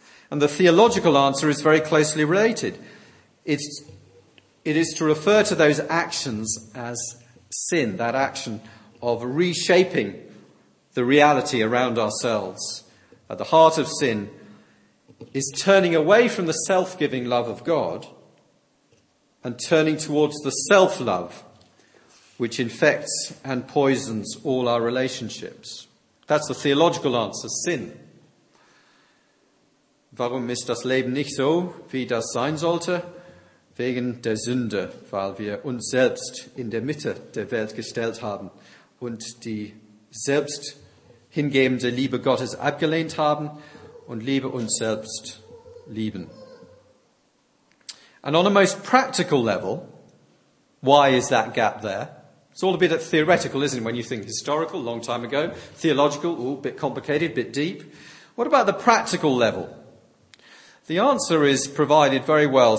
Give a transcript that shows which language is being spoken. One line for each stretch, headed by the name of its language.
English: And the theological answer is very closely related. It is to refer to those actions as sin, that action of reshaping the reality around ourselves. At the heart of sin is turning away from the self-giving love of God and turning towards the self-love which infects and poisons all our relationships. That's the theological answer, sin.
German: Warum ist das Leben nicht so, wie das sein sollte? Wegen der Sünde, weil wir uns selbst in der Mitte der Welt gestellt haben und die selbst hingebende Liebe Gottes abgelehnt haben und Liebe uns selbst lieben.
English: And on a most practical level, why is that gap there? It's all a bit theoretical, isn't it, when you think historical, long time ago, theological, ooh, a bit complicated, a bit deep. What about the practical level? The answer is provided very well.